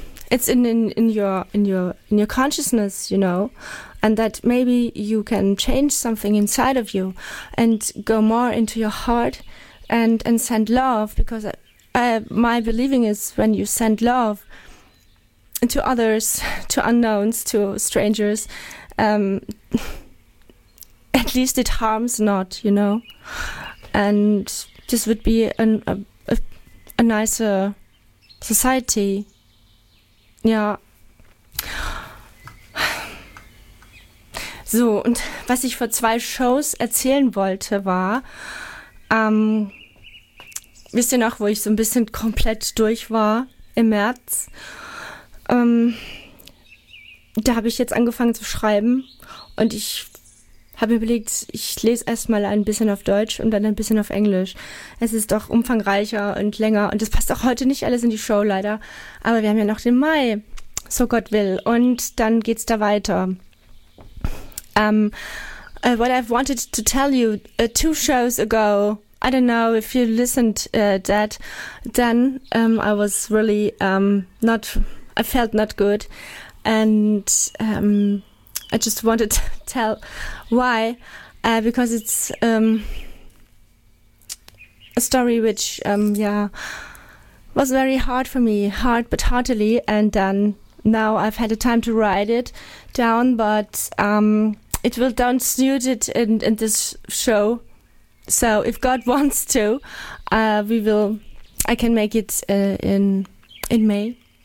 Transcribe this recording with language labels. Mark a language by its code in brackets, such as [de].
[en] It's in your consciousness, you know, and that maybe you can change something inside of you and go more into your heart and send love, because my believing is when you send love to others, to unknowns, to strangers, at least it harms not, you know, and this would be a nicer society. [de] Ja. So, und was ich vor zwei Shows erzählen wollte, war, wisst ihr noch, wo ich so ein bisschen komplett durch war im März? Da habe ich jetzt angefangen zu schreiben und ich habe mir überlegt, ich lese erstmal ein bisschen auf Deutsch und dann ein bisschen auf Englisch. Es ist doch umfangreicher und länger und es passt auch heute nicht alles in die Show, leider. Aber wir haben ja noch den Mai, so Gott will. Und dann geht's da weiter. [en] What I've wanted to tell you two shows ago, I don't know if you listened that, then I was really I felt not good. And I just wanted to tell why, because it's a story which was very hard for me, hard but heartily, and then now I've had the time to write it down, but it will don't suit it in this show, so if God wants to, I can make it in in May.